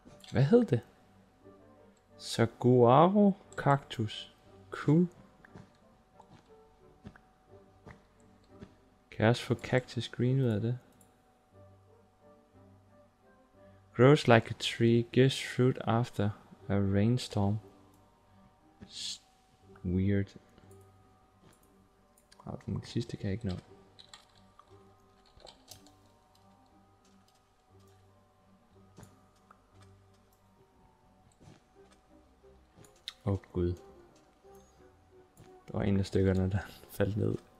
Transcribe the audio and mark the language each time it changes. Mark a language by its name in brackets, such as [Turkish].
[Danish] Hvad hed det? Saguaro kaktus. Cool. Kan jeg også få cactus green ud af det? [English] Grows like a tree, gives fruit after a rainstorm. Weird. [Danish] Den sidste kan jeg ikke nå. Åh gud. Der var en af stykkerne, der faldt ned.